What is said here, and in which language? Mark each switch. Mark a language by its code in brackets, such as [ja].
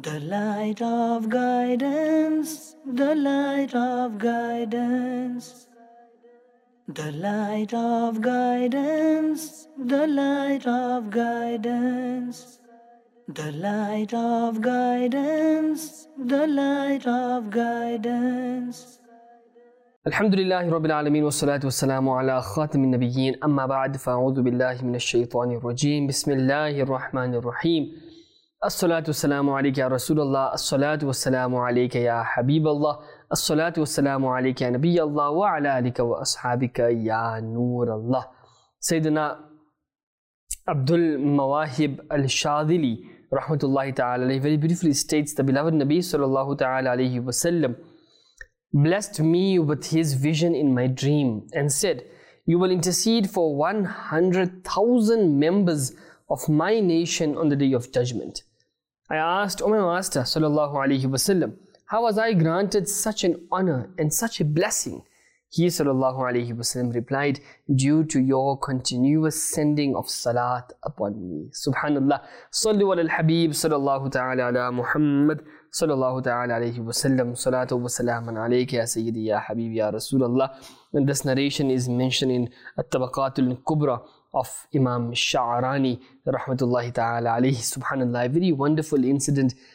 [en] light of guidance, the light of guidance. The light of guidance, the light of guidance. The light of guidance, the light of guidance. [ar] الحمد لله رب العالمين والصلاة والسلام على خاتم النبيين أما بعد فأعوذ بالله من الشيطان الرجيم بسم الله الرحمن الرحيم الصلاة والسلام عليك يا رسول الله الصلاة والسلام عليك يا حبيب الله الصلاة والسلام عليك يا نبي الله وعلى آلك وأصحابك يا نور الله سيدنا [en] عبد المواهب الشاذلي [ar] رحمة الله تعالى عليه [en] very beautifully states the beloved Nabi [ar] صلى الله تعالى عليه وسلم [en] blessed me with his vision in my dream and said, you will intercede for 100,000 members of my nation on the day of judgment. I asked, O my master, sallallahu alayhi wa sallam, how was I granted such an honor and such a blessing? He, sallallahu alayhi wa sallam, replied, due to your continuous sending of salat upon me. Subhanallah. [ar] Salli wa al-habib, sallallahu ta'ala ala Muhammad. صلى الله تعالى عليه وسلم صلاة وسلام عليك يا سيدي يا حبيبي يا رسول الله [en] and this narration is mentioned in [ar] الطبقات الكبرى of Imam الشعراني رحمة الله تعالى عليه سبحان الله [en] a very wonderful incident